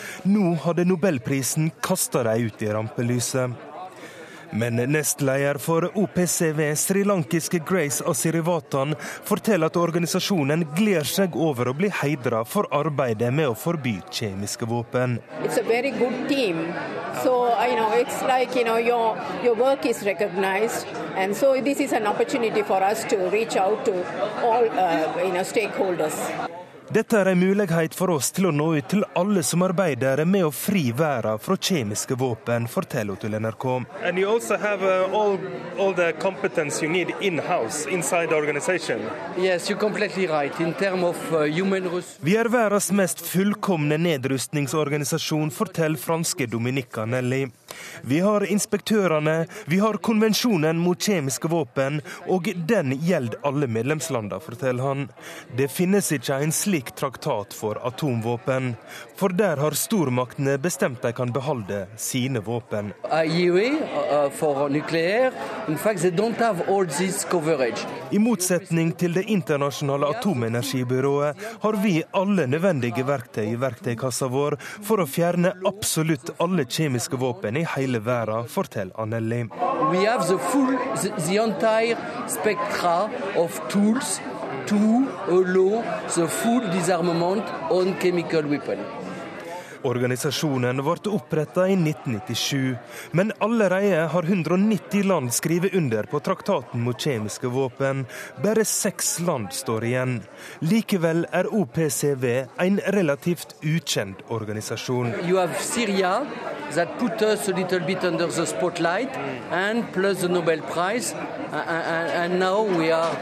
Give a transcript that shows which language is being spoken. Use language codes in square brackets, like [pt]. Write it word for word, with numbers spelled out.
[no] Nå hadde Nobelprisen kastet dem ut i rampelyset. Men nestleder for O P C V, srilankiske Grace Asirivatan, forteller at organisasjonen gleder seg over å bli heidret for arbeidet med å forby kjemiske våpen. [en] It's a very good team. So, you know, it's like, you know, your, your work is recognized. And so this is an opportunity for us to reach out to all, uh, you know, stakeholders. [no] Dette er en mulighet for oss til å nå ut til alle som arbeider med å fri verden fra kjemiske våpen, forteller til N R K. [en] And you also have uh, all all the competence you need in house inside the organization. Yes, you're completely right in terms of uh, human resources. [no] Vi er verdens mest fullkomne nedrustningsorganisasjon, forteller franske Dominika Nelly. Vi har inspektørene, vi har konvensjonen mot kjemiske våpen, og den gjelder alle medlemslandene, forteller han. Det finnes ikke en slik traktat for atomvåpen, for der har stormaktene bestemt de kan beholde sine våpen. [en] I E A for nukleær, in fact they don't have all this coverage. [no] I motsetning til det internasjonale atomenergibyrået har vi alle nødvendige verktøy i verktøykassa vår for å fjerne absolutt alle kjemiske våpen i hele verden, forteller Anneli. [en] We have the full, the, the entire spectra of tools to allow the full disarmament on chemical weapon. [no] Organisasjonen ble opprettet i nitten nittisju, men allerede har hundre og nitti land skrevet under på traktaten mot kjemiske våpen. Bare seks land står igjen. Likevel er O P C V en relativt ukjent organisasjon. [en] You have Syria that put us a little bit under the spotlight and plus the Nobel Prize and now we are...